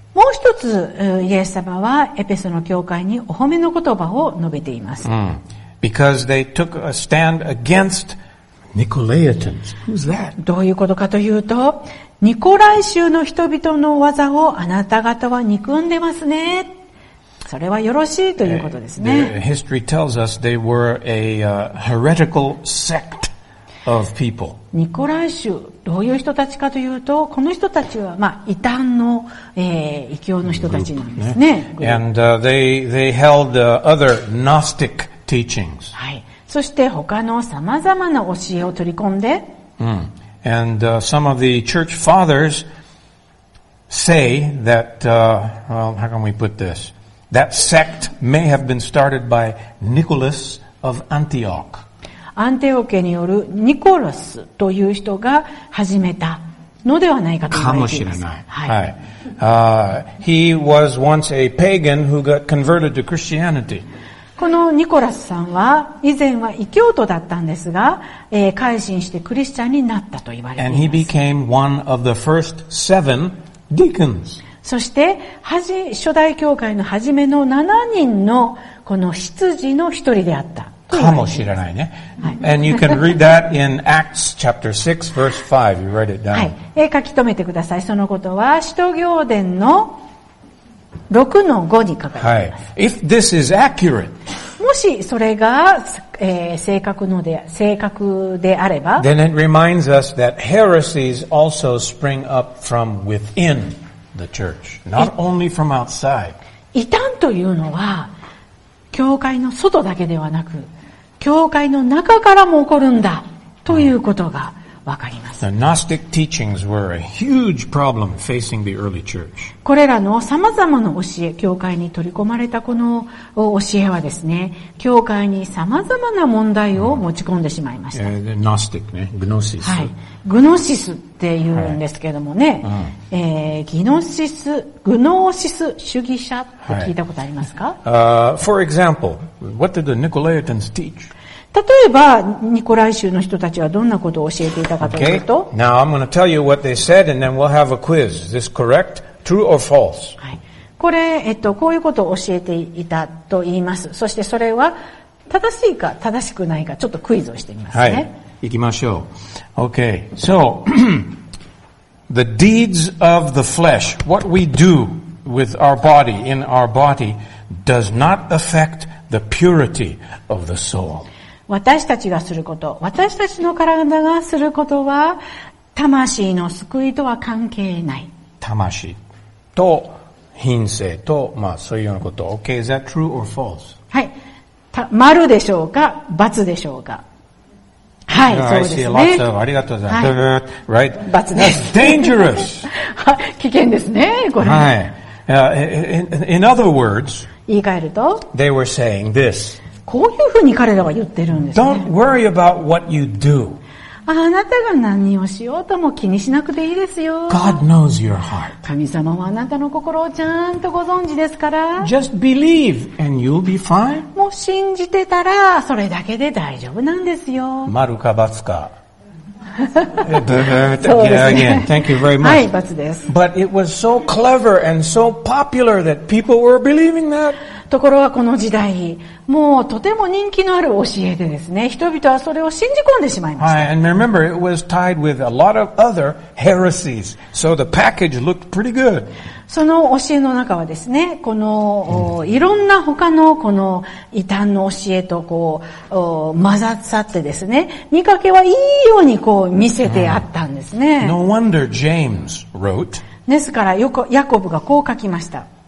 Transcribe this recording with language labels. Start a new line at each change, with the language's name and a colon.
Japanese: もう一つ、イエス様はエペソの教会にお褒めの言葉を述べています。
English: Because they took a stand against Nicolaitans. Who's that?
Japanese: どういうことかというと、ニコライ州の人々の技をあなた方は憎んでますね。それはよろしいということですね。
English: History tells us they were a heretical sect. Of people.
Japanese: ニコライ州どういう人たちかというと、この人たちはまあ異端の、異教の人たちなんですね。
English: And they held other Gnostic teachings.
Japanese: はい。そして他のさまざまな教えを取り込んで。
English: And some of the church fathers say that how can we put this? That sect may have been started by Nicholas of Antioch.
Japanese: アンテオ家によるニコラスという人が始めたのではないかと言われています。かもしれない。はい。
English: He was once a pagan who got converted to Christianity.
Japanese: このニコラスさんは以前は異教徒だったんですが、改心してクリスチャンになったと言われています。
English: And he became one of the first seven deacons.
Japanese: そして初代教会の初めの7人のこの執事の一人であった。かもしれないね。はい、
English: And you can read that in Acts chapter 6 verse 5. You write it down.
Japanese: はい。書き留めてください。そのことは、使徒行伝の 6-5 に書かれています。はい。
English: If this is accurate,
Japanese: もしそれが、正確であれば、
English: then it reminds us that heresies also spring up from within the church, not only from outside.
Japanese: 異端というのは、教会の外だけではなく、教会の中からも起こるんだということがわかります。
English: The Gnostic teachings were a huge problem facing the early church.
Japanese: これらの様々な教え、教会に取り込まれたこの教えはですね、教会に様々な問題を持ち込んでしまいました。 Gnostic ね、Gnosis。はい、Gnosis って言うんですけどもね、Gnosis 主義者って聞いたことありますか？
English: For example, what did the Nicolaitans teach?
Japanese: 例えばニコライ州の人たちはどんなことを教えていたかというと、
English: Now I'm going to tell you what they said and then we'll have a quiz. Is this correct? True or false?
Japanese: はい。これ、こういうことを教えていたと言います。そしてそれは正しいか正しくないかちょっとクイズをしてみますね。はい。行きましょう。Okay.
English: So, the deeds of the flesh, what we do with our body, in our body, does not affect the purity of the soul.
Japanese: 私たちがすること、私たちの体がすることは、魂の救いとは関係ない。魂と品性と、まあそういうようなこと。
English: Okay, is that true or false?
Japanese: はい。丸でしょうか、×でしょうか。はい、そうですね。
English: I see lots of,
Japanese: ありがとうございます。
English: Right?
Japanese: ×です。
English: That's dangerous!
Japanese: 危険ですね、これ。
English: はい。In other words,
Japanese: 言い換えると、
English: they were saying this.
Japanese: こういうふうに彼らは言ってるんですね。
English: Don't worry about what you do.
Japanese: あなたが何をしようとも気にしなくていいですよ。
English: God knows your heart.
Japanese: 神様はあなたの心をちゃんとご存知ですから。
English: Just believe and you'll be fine.
Japanese: もう信じてたらそれだけで大丈夫なんですよ。丸か×か。
English: Yeah, again. Thank you very much.
Japanese: はい、×です。
English: But it was so clever and so popular that people were believing that.
Japanese: ところがこの時代、もうとても人気のある教えでですね、人々はそれを信じ込んでしまいました。
English: はい、and remember, it was tied with a lot of other heresies, so the package looked pretty good.
Japanese: その教えの中はですね、この、いろんな他のこの異端の教えとこう、混ざってですね、見かけはいいようにこう見せてあったんですね。
English: No wonder James wrote.
Japanese: ですから、ヤコブがこう書きました。